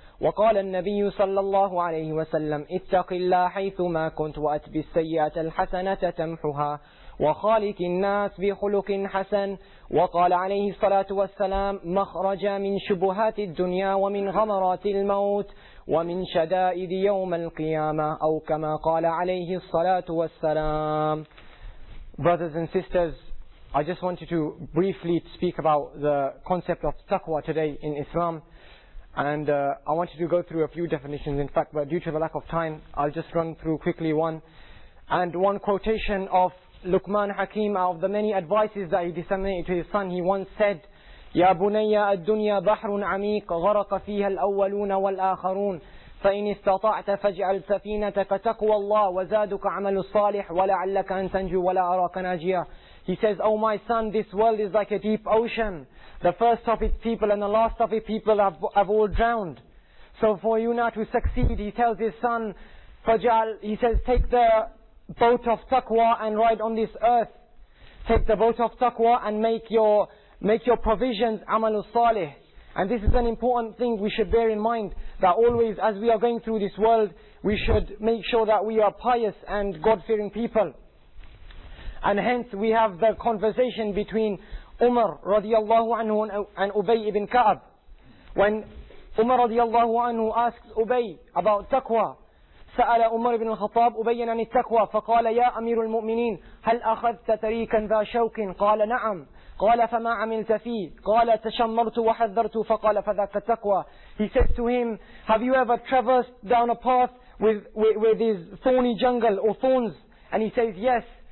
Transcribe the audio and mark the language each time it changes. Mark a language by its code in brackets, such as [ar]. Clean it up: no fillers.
[ar] وقال النبي صلى الله عليه وسلم: اتق الله حيثما كنت، وأتب السيئة الحسنة تمحها، وخالق الناس بخلق حسن. وقال عليه الصلاة والسلام: مخرجا من شبهات الدنيا ومن غمرات الموت ومن شدائد يوم القيامة، أو كما قال عليه الصلاة والسلام. [en] Brothers and sisters, I just wanted to briefly speak about the concept of taqwa today in Islam. And I wanted to go through a few definitions, in fact, but due to the lack of time, I'll just run through quickly one. And one quotation of Luqman Hakim, out of the many advices that he disseminated to his son, he once said, [ar] يَا بُنَيَّا أَدُّنْيَا بَحْرٌ عَمِيقٌ غَرَقَ فِيهَا الْأَوَّلُونَ وَالْآخَرُونَ فَإِنِ اسْتَطَعْتَ فَاجْعَلْ سَفِينَتَكَ تَقْوَى اللَّهِ وَزَادُكَ عَمَلُ الصَّالِحِ وَلَعَلَّكَ أَن تَنْجُو وَلَا أَرَاكَ نَاجِيًا. [en] He says, O my son, this world is like a deep ocean. The first of its people and the last of its people have all drowned. So for you now to succeed, he tells his son, Fajal, he says, take the boat of taqwa and ride on this earth. Take the boat of taqwa and make your provisions amalus salih. And this is an important thing we should bear in mind, that always as we are going through this world, we should make sure that we are pious and God-fearing people. And hence we have the conversation between Umar radiallahu anhu and Ubay ibn Ka'ab. When Umar radiallahu anhu asks Ubay about taqwa, [ar] سأل Umar ibn al-Khattab Ubay عن التقوى فقال يا أمير المؤمنين هل أخذت تريكا ذا شوك؟ قال نعم. قال فما عملت فيه؟ قال تشمرت وحذرت فقال فذاك التقوى. [en] He says to him, have you ever traversed down a path with this thorny jungle or thorns? And he says, yes.